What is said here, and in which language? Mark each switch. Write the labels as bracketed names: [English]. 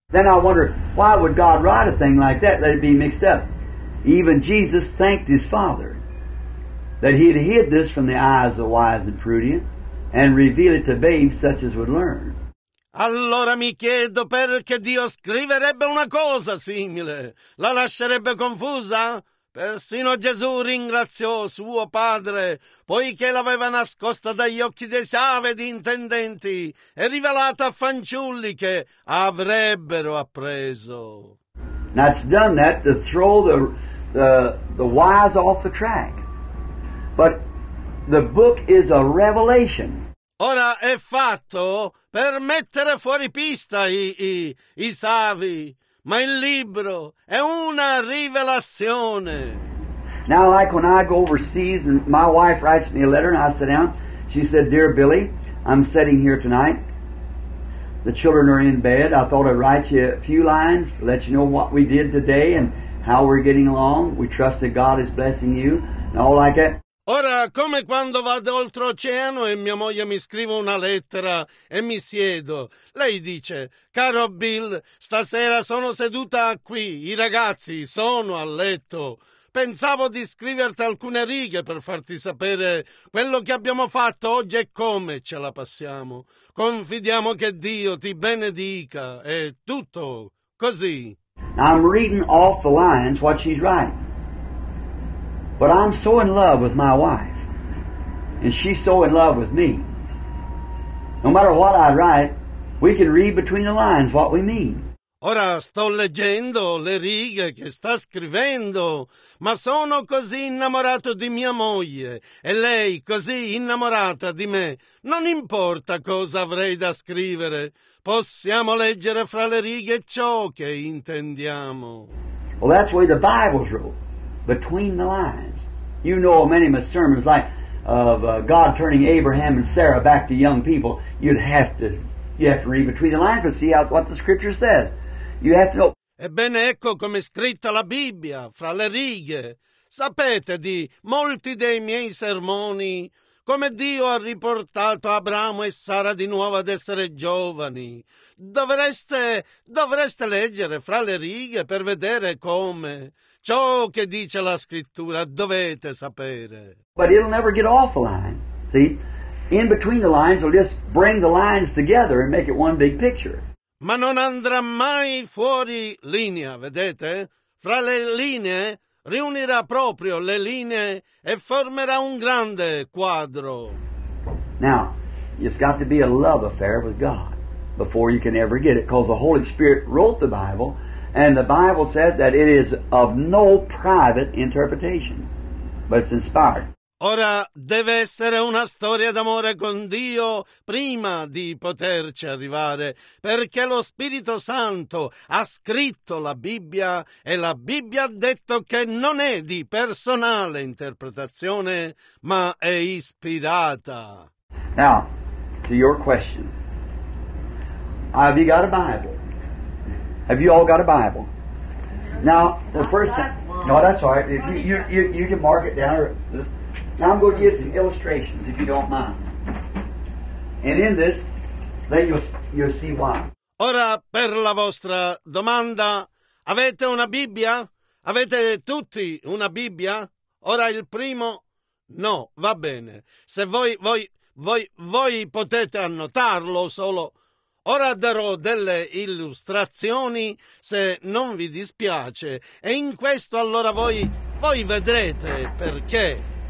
[English] Then I wonder, why would God write a thing like that, let it be mixed up? Even Jesus thanked his Father that he had hid this from the eyes of the wise and prudent and revealed it to babes such as would learn. [Italian] Allora mi chiedo perché Dio scriverebbe una cosa simile, la lascerebbe confusa? Persino Gesù ringraziò suo padre, poiché l'aveva nascosta dagli occhi dei savi e di intendenti e rivelata a fanciulli che avrebbero appreso. [English] Now it's done that to throw the wise off the track, but the book is a revelation. [Italian] Ora è fatto per mettere fuori pista i savi, ma il libro è una rivelazione. [English] Now, like when I go overseas and my wife writes me a letter and I sit down, she said, "Dear Billy, I'm sitting here tonight. The children are in bed. I thought I'd write you a few lines to let you know what we did today and how we're getting along. We trust that God is blessing you," and all like that. [Italian] Ora, come quando vado oltreoceano e mia moglie mi scrive una lettera e mi siedo. Lei dice, caro Bill, stasera sono seduta qui, i ragazzi sono a letto. Pensavo di scriverti alcune righe per farti sapere quello che abbiamo fatto oggi e come ce la passiamo. Confidiamo che Dio ti benedica. È tutto così. [English] I'm reading off the lines what she's writing. But I'm so in love with my wife, and she's so in love with me. No matter what I write, we can read between the lines what we mean. [Italian] Ora sto leggendo le righe che sta scrivendo, ma sono così innamorato di mia moglie, e lei così innamorata di me. Non importa cosa avrei da scrivere, possiamo leggere fra le righe ciò che intendiamo. [English] Well, that's the way the Bible's wrote. Between the lines. You know of many sermons like of God turning Abraham and Sarah back to young people. You have to read between the lines to see what the scripture says. You have to know. [Italian] Ebbene, ecco come è scritta la Bibbia, fra le righe. Sapete di molti dei miei sermoni, come Dio ha riportato Abramo e Sara di nuovo ad essere giovani. Dovreste leggere fra le righe per vedere come. Ciò che dice la scrittura dovete sapere. [English] But it'll never get off the line. See? In between the lines will just bring the lines together and make it one big picture. [Italian] Ma non andrà mai fuori linea, vedete? Fra le linee riunirà proprio le linee e formerà un grande quadro. [English] Now, it's got to be a love affair with God before you can ever get it, because the Holy Spirit wrote the Bible. And the Bible said that it is of no private interpretation, but it's inspired. [Italian] Ora deve essere una storia d'amore con Dio prima di poterci arrivare, perché lo Spirito Santo ha scritto la Bibbia e la Bibbia ha detto che non è di personale interpretazione, ma è ispirata. [English] Now, to your question, have you got a Bible? Have you all got a Bible? Now, the first time... No, that's all right. If you can mark it down. Now I'm going to give some illustrations, if you don't mind. And in this, then you'll see why. [Italian] Ora, per la vostra domanda, avete una Bibbia? Avete tutti una Bibbia? Ora il primo... No, va bene. Se voi potete annotarlo solo... Ora darò delle illustrazioni, se non vi dispiace, e in questo allora voi vedrete perché.